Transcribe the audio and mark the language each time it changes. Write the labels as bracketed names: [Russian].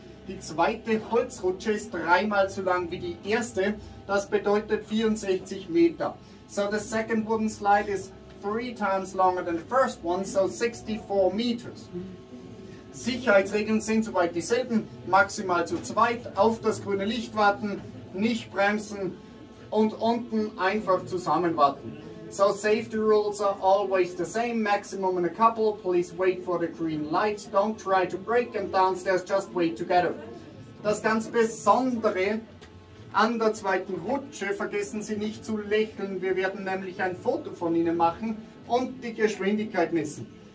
[German] Die zweite Holzrutsche ist dreimal so lang wie die erste, das bedeutet 64 Meter. [English] So the second wooden slide is three times longer than the first one, so 64 meters. [German] Sicherheitsregeln sind soweit dieselben, maximal zu zweit, auf das grüne Licht warten, nicht bremsen und unten einfach zusammen warten. [English] So safety rules are always the same, maximum in a couple, please wait for the green light, don't try to break and downstairs, just wait together. [German] Das ganz Besondere an der zweiten Rutsche, vergessen Sie nicht zu lächeln, wir werden nämlich ein Foto von Ihnen machen und die Geschwindigkeit messen.